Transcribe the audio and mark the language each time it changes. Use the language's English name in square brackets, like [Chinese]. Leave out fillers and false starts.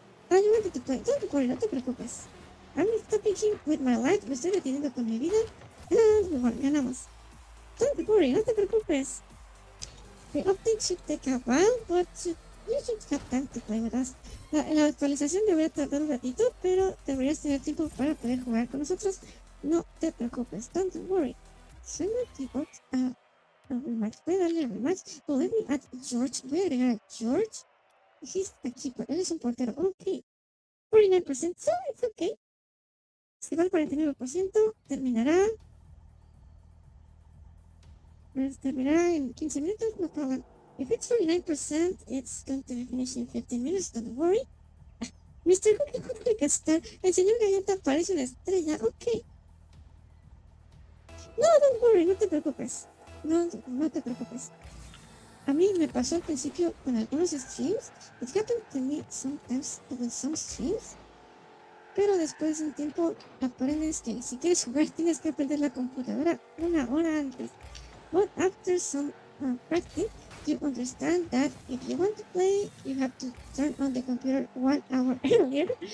[English] Ah, you wanted to play. Don't worry, [Spanish] no te preocupes. [English] I'm stopping him with my life, [Spanish] me estoy deteniendo con mi vida. [English] And we won, [Spanish] ganamos. [English] Don't worry, [Spanish] no te preocupes. [English] The update should take a while, but you should have time to play with us. [Spanish] La actualización debería tardar un ratito, pero deberías tener tiempo para poder jugar con nosotros. No te preocupes, [English] don't worry. Send me the bot a rematch. [Spanish] Voy a darle a rematch. [English] Well, let me add George. [Spanish] Voy a agregar a George. [English] He's a keeper. [Spanish] Él es un portero. [English] Ok. 49%. So it's ok. [Spanish] Si va al 49%, terminará. Terminará en 15 minutos. [English] No problem. If it's 49%, it's going to be finished in 15 minutes. Don't worry. Mr. Cookie could be a star. [Spanish] El señor Galleta parece una estrella. [English] Ok. No, don't worry, [Spanish] no te preocupes. No te preocupes. A mí me pasó al principio con algunos streams. [English] It happened to me sometimes with some streams. [Spanish] Pero después de un tiempo aprendes que si quieres jugar tienes que aprender la computadora una hora antes. [English] But after some practice, you understand that if you want to play, you have to turn on the computer 1 hour earlier.